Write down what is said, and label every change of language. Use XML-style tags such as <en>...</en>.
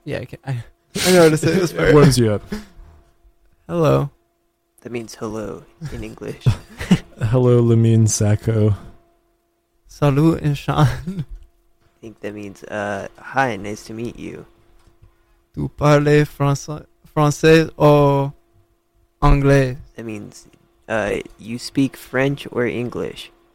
<en>Yeah, I can. I know how to say this part. It warms you up. Hello. That means hello in English. Hello, Lamine Sako. Salut, and Sean. I think that means, hi, nice to meet you.</en> <fr>Tu parles français ou anglais?</fr> <en>That means, you speak French or English?</en>